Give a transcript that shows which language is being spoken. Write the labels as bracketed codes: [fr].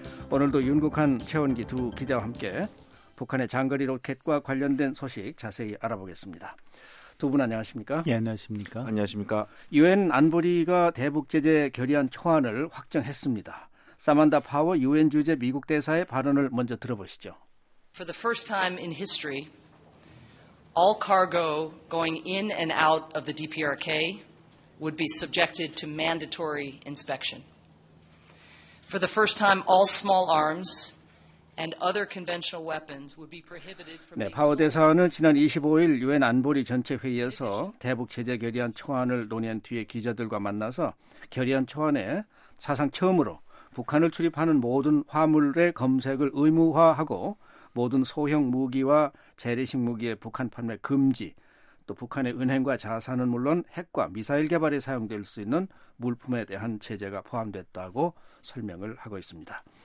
[ko] 오늘도 윤국한, 최원기 두 기자와 함께 북한의 장거리 로켓과 관련된 소식 자세히 알아보겠습니다. 두 분 안녕하십니까? 예, 안녕하십니까? 안녕하십니까? 유엔 안보리가 대북 제재 결의안 초안을 확정했습니다. 사만다 파워 유엔 주재 미국 대사의 발언을 먼저 들어보시죠. [en] For the first time in history, all cargo going in and out of the DPRK would be subjected to mandatory inspection. For the first time, all small arms and other conventional weapons would be prohibited from. [ko] 네, 파워 대사는 지난 25일 유엔 안보리 전체 회의에서 대북 제재 결의안 초안을 논의한 뒤에 기자들과 만나서 결의안 초안에 사상 처음으로 북한을 출입하는 모든 화물의 검색을 의무화하고 모든 소형 무기와 재래식 무기의 북한 판매 금지, 또 북한의 은행과 자산은 물론 핵과 미사일 개발에 사용될 수 있는 물품에 대한 제재가 포함됐다고 설명을 하고 있습니다.